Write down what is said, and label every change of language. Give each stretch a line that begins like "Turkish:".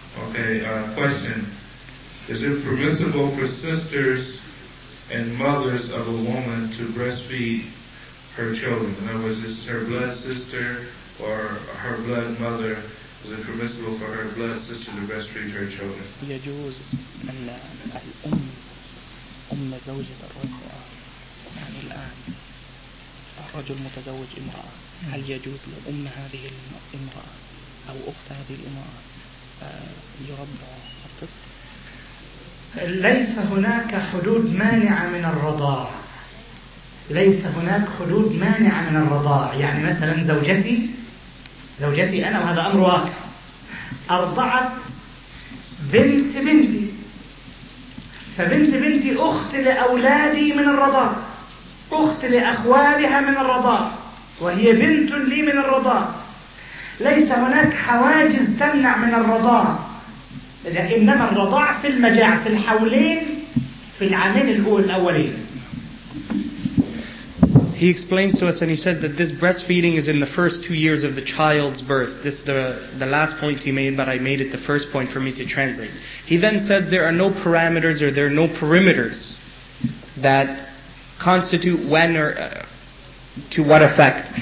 English: Okay, question. Is it permissible for sisters and mothers of a woman to breastfeed her children? In other words, is it her blood sister or her blood mother? Is it permissible for her blood sister to breastfeed her children?
Arabic: يجوز أن الأم أم زوجة الرجل يعني الآن الرجل متزوج امرأة هل يجوز لأم هذه الامرأة أو أخت هذه الامرأة يربى الطفل؟ ليس هناك حدود مانعة من الرضاع. ليس هناك حدود مانعة من الرضاع. يعني مثلا زوجتي أنا، وهذا أمر واقع، أرضعت بنت بنتي، فبنت بنتي أخت لأولادي من الرضاع، أخت لأخوالها من الرضاع، وهي بنت لي من الرضاع. ليس هناك حواجز تمنع من الرضاع، إنما الرضاع في المجاع، في الحولين، في العامين الأولين.
English: He explains to us, and he says that this breastfeeding is in the first 2 years of the child's birth. This is the last point he made, but I made it the first point for me to translate. He then says there are no parameters, or there are no perimeters that constitute when or to what effect.